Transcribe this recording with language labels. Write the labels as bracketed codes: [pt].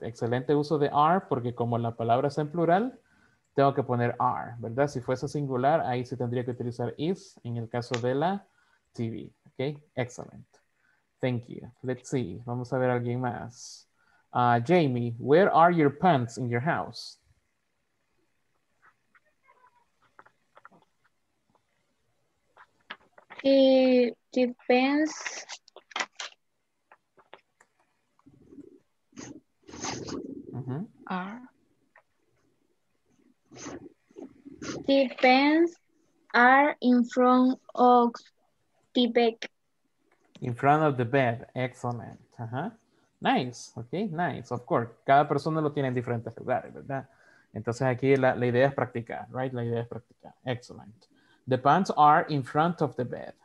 [es] Excelente uso de are porque como la palabra es en plural, tengo que poner are, ¿verdad? Si fuese singular, ahí sí tendría que utilizar is en el caso de la TV. [en] Okay. Excellent. Thank you. Let's see. Vamos a ver a alguien más. Jamie, where are your pants in your house? It depends. Uh-huh. Are. Depends are in front of the bed. In front of the bed. Excellent. Uh-huh. Nice. Okay, nice. Of course. [es] Cada persona lo tiene en diferentes lugares, ¿verdad? Entonces aquí la idea es practicar, right? La idea es practicar. Excellent. [en] The pants are in front of the bed.